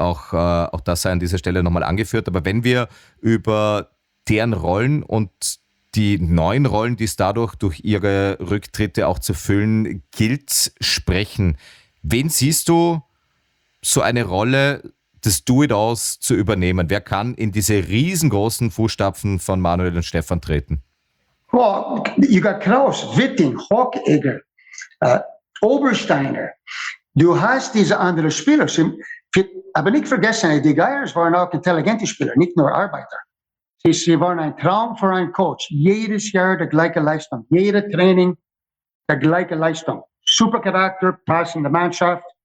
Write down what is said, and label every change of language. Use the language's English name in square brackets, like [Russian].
[German] Auch das sei an dieser Stelle nochmal angeführt. Aber wenn wir über deren Rollen und die neuen Rollen, die es dadurch durch ihre Rücktritte auch zu füllen gilt, sprechen, wen siehst du so eine Rolle, das Do-it-alls zu übernehmen? Wer kann in diese riesengroßen Fußstapfen von Manuel und Stefan treten? [English] Well, you got Kraus, Witting, Hockegger, Obersteiner. [German] Du hast diese anderen Spieler. Aber nicht vergessen, die Geiers waren auch intelligente Spieler, nicht nur Arbeiter. Sie waren ein Traum für einen Coach. Jedes Jahr der gleiche Leistung. Jede Training der gleiche Leistung. Super Charakter, passende Mannschaft.